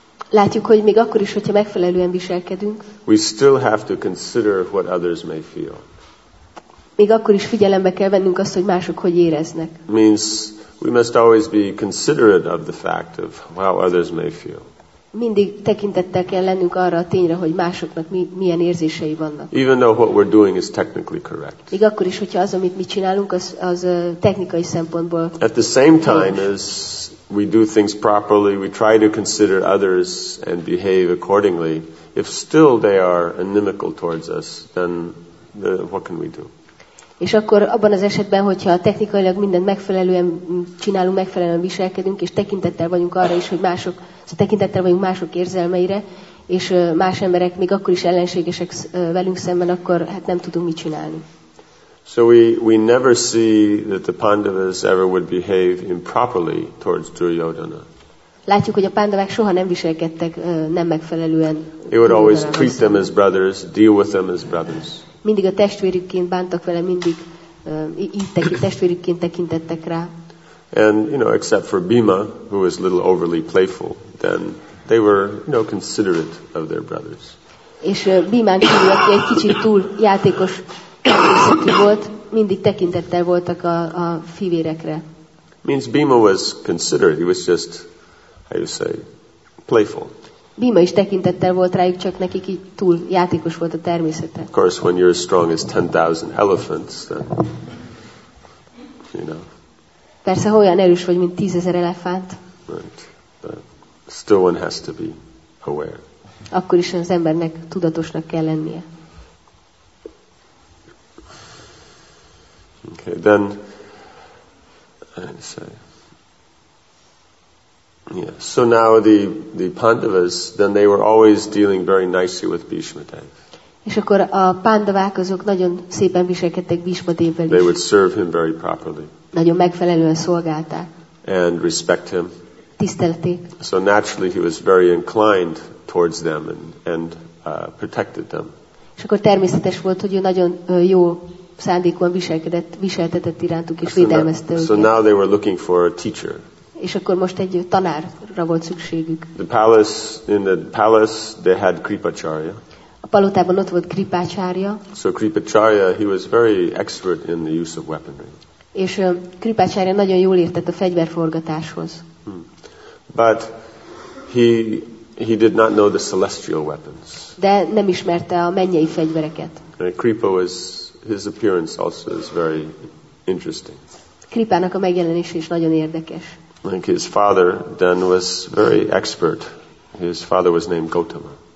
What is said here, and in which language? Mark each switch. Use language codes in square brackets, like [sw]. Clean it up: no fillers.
[hu] látjuk, hogy még akkor is, hogyha megfelelően viselkedünk, [en] we still have to consider what others may feel. [hu] Még akkor is figyelembe kell vennünk azt, hogy mások hogy éreznek. [en] Means we must always be considerate of the fact of how others may feel. [hu] Mindig tekintettel kell lennünk arra a tényre, hogy másoknak milyen érzései vannak. [en] Even though what we're doing is technically correct. [hu] Még akkor is, hogyha az, amit mi csinálunk, az technikai szempontból. [en] At the same time as we do things properly, we try to consider others and behave accordingly. If still they are inimical towards us, then what can we do? [hu] És akkor abban az esetben, hogyha technikailag mindent megfelelően csinálunk, megfelelően viselkedünk, és tekintettel vagyunk arra is, hogy mások, szóval tekintettel vagyunk mások érzelmeire, és más emberek még akkor is ellenségesek velünk szemben, akkor hát nem tudunk mit csinálni. [en] So we never see that the Pandavas ever would behave improperly towards Duryodhana. [hu] Látjuk, hogy a pándavák soha nem viselkedtek nem megfelelően. [en] He would always treat them as brothers, deal with them as brothers. [hu] mindig a testvérükként bántak vele, mindig testvérükként tekintettek rá. [en] And you know, except for Bhima, who was a little overly playful, then they were, you know, considerate of their brothers. [hu] És Bhimán kívül, aki egy kicsit túl játékos volt, mindig tekintettel voltak a fivérekre. [en] Means Bhima was considerate. He was just, how you say, playful. [hu] Bhima is tekintettel volt rájuk, csak neki így túl játékos volt a természete. [en] Of course, when you're as strong as 10,000 elephants, then, you know. [hu] Persze, ha olyan erős vagy, mint 10,000 elefánt. [en] Right. But still one has to be aware. [hu] Akkor is az embernek tudatosnak kell lennie. [en] Okay, then, I'd say, yeah. So now the Pandavas, then they were always dealing very nicely with Bhishma Dev. [hu] És akkor a Pandavák azok nagyon szépen viselkedtek Bhishma Devvel is. [en] They would serve him very properly. [hu] Nagyon megfelelően szolgálták. [en] And respect him. [hu] Tisztelték. [en] So naturally he was very inclined towards them and protected them. [hu] És akkor természetes volt, hogy ő nagyon jó szándékúan viselkedett, viseltetett irántuk és védelmezte őket. [en] So now they were looking for a teacher. [hu] És akkor most egy tanárra volt szükségük. [en] In the palace they had Kripacharya. [hu] A palotában ott volt Kripacharya. [en] So Kripacharya, he was very expert in the use of weaponry. [hu] És Kripacharya nagyon jól értett a fegyverforgatáshoz. [en] But he did not know the celestial weapons. [hu] De nem ismerte a mennyei fegyvereket. [en] Kripa was, his appearance also is very interesting. [hu] Kripának a megjelenése is nagyon érdekes. [en] Like his father then was very expert. His father was named Gautama.